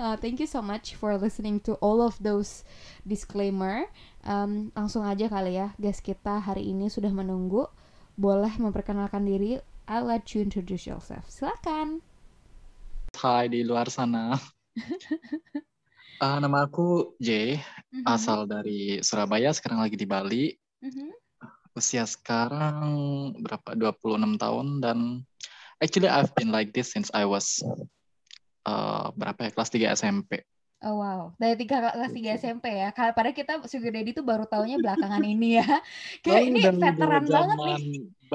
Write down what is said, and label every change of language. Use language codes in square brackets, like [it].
[en] Thank you so much for listening to all of those disclaimer. [id] Langsung aja kali ya, guys, kita hari ini sudah menunggu. Boleh memperkenalkan diri. [en] I'll let you introduce yourself. [id] Silakan. Hai di luar sana. Nama aku Jay. Mm-hmm. Asal dari Surabaya, sekarang lagi di Bali. Mm-hmm. Usia sekarang berapa? 26 tahun dan [en] actually, I've been like this since I was [id] kelas 3 SMP. Oh wow, dari kelas 3 SMP ya. Padahal kita sugar daddy tuh baru taunya belakangan ini ya. Kayak ini veteran banget nih.